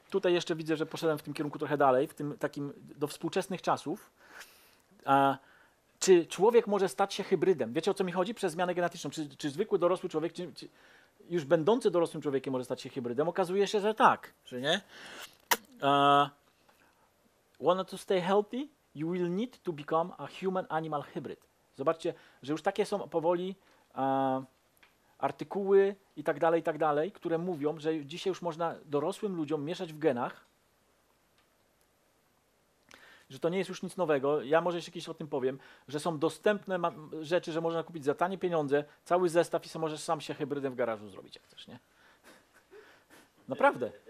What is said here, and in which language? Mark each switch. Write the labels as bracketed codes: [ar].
[pl] Tutaj jeszcze widzę, że poszedłem w tym kierunku trochę dalej, w tym takim do współczesnych czasów. Czy człowiek może stać się hybrydem? Wiecie, o co mi chodzi? Przez zmianę genetyczną. Czy zwykły dorosły człowiek, czy już będący dorosłym człowiekiem może stać się hybrydem? Okazuje się, że tak, czy nie? [en] Wanna to stay healthy? You will need to become a human-animal hybrid. [pl] Zobaczcie, że już takie są powoli artykuły i tak dalej, które mówią, że dzisiaj już można dorosłym ludziom mieszać w genach, że to nie jest już nic nowego. Ja może jeszcze kiedyś o tym powiem, że są dostępne rzeczy, że można kupić za tanie pieniądze, cały zestaw i sam możesz sam się hybrydem w garażu zrobić, jak chcesz, nie? Naprawdę.